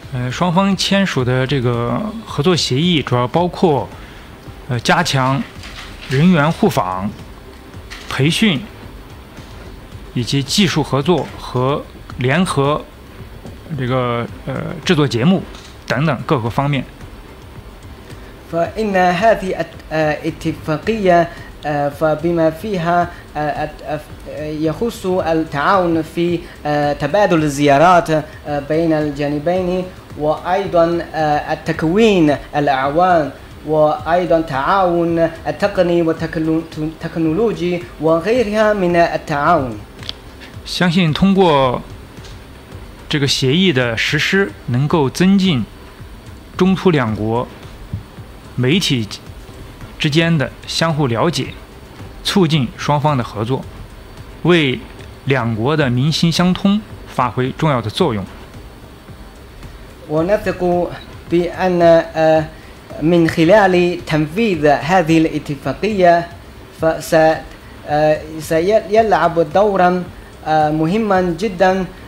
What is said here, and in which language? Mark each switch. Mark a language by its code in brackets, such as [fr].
[zh] 双方签署的这个合作协议主要包括加强人员互访、培训以及技术合作和联合这个制作节目等等各个方面。 [ar] فإن هذه الاتفاقية فبما فيها يخص التعاون في تبادل الزيارات بين الجانبين وأيضا التكوين الأعوان وأيضا تعاون التقني والتكنولوجي وغيرها من التعاون. [zh] 相信通过这个协议的实施，能够增进中突两国媒体之间的相互了解，促进双方的合作，为两国的民心相通发挥重要的作用。 [ar] ونثق بأن من خلال تنفيذ هذه الاتفاقية فسيلعب دورا مهما جدا